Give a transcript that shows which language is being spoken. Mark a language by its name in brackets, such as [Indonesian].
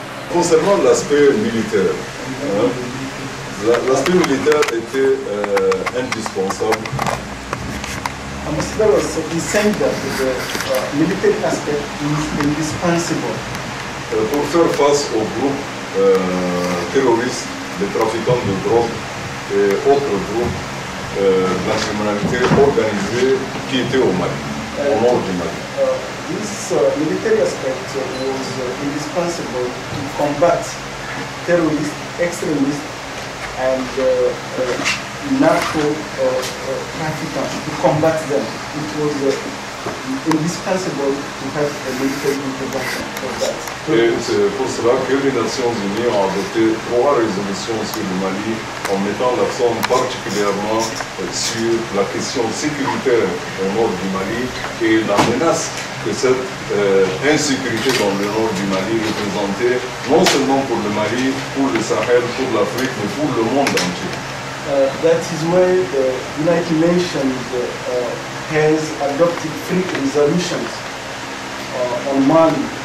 [French] Concernant l'aspect militaire, l'aspect militaire était indispensable. [English] Ambassador, so he said that the military aspect is indispensable. [French] Pour faire face aux groupes terroristes, les trafiquants de drogue et autres groupes de la criminalité organisée qui étaient au Mali, au nord du Mali. [English] This military aspect was indispensable to combat terrorists, extremists, and narco-trafficants, to combat them. It was indispensable to have a military intervention for that. [French] Et c'est pour cela que les Nations Unies ont adopté trois résolutions sur le Mali en mettant l'accent particulièrement sur la question sécuritaire au nord du Mali et la menace que cette insécurité dans le nord du Mali représentait non seulement pour le Mali, pour le Sahel, pour l'Afrique, mais pour le monde entier. [English] That is why the United Nations has adopted three resolutions on Mali.